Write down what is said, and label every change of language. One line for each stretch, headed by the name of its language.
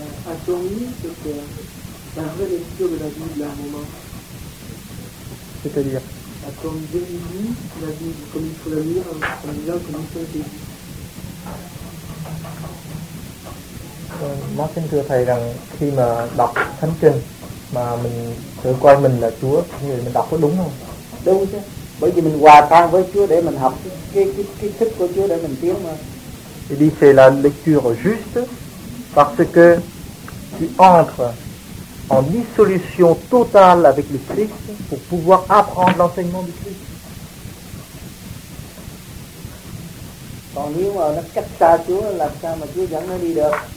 French: A-t-on mis la relecture de la Bible à un moment? C'est-à-dire? A-t-on délivré la Bible comme il faut la lire en disant comme il faut la lire?
Vietnamese: Nó xin thưa thầy rằng khi mà đọc thánh kinh mà mình tự coi mình là Chúa thì mình đọc có đúng không? Đúng chứ, bởi vì mình hòa tan với Chúa để mình học cái thức của Chúa để mình tiến mà.
French: Il dit c'est la lecture juste parce que tu entres en dissolution totale avec le Christ pour pouvoir apprendre l'enseignement du Christ.
Vietnamese: Còn nếu mà nó cách xa Chúa là sao mà Chúa dẫn nó đi được?